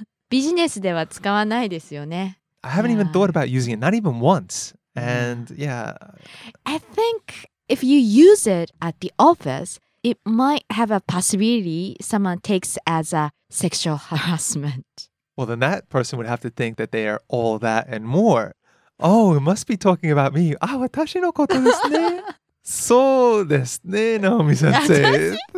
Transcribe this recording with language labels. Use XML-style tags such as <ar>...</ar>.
<ja>ビジネスでは使わないですよね。</ja> <en>I haven't even thought about using it, not even once. And, yeah. I think if you use it at the office, it might have a possibility someone takes as a sexual harassment. Well, then that person would have to think that they are all that and more. Oh, it must be talking about me. Ah,</en> <ja>私のことですね。そうですね、ナオミ先生。</ja>